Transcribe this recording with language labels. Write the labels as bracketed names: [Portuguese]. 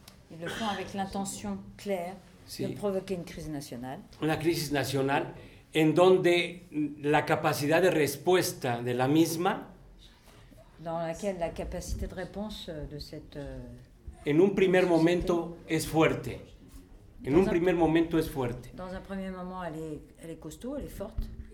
[French] Ils le font avec l'intention claire de provoquer une crise nationale. [Spanish] Una crisis nacional. En donde la capacidad de respuesta de la misma, [French] dans laquelle la capacité de réponse de cette, [Spanish] en un primer momento es fuerte. En un primer momento es fuerte. [French] Dans un premier moment, elle est costaud, elle est forte.